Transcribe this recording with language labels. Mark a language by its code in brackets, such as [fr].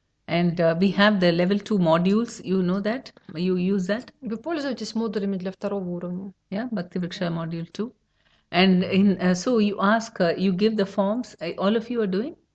[en] And we have the level 2 modules, you know that? You use that? [ru] Вы пользуетесь модулями для второго уровня? [en] Yeah, Bhakti Vriksha module 2. And in so you ask, you give the forms, all of you are doing?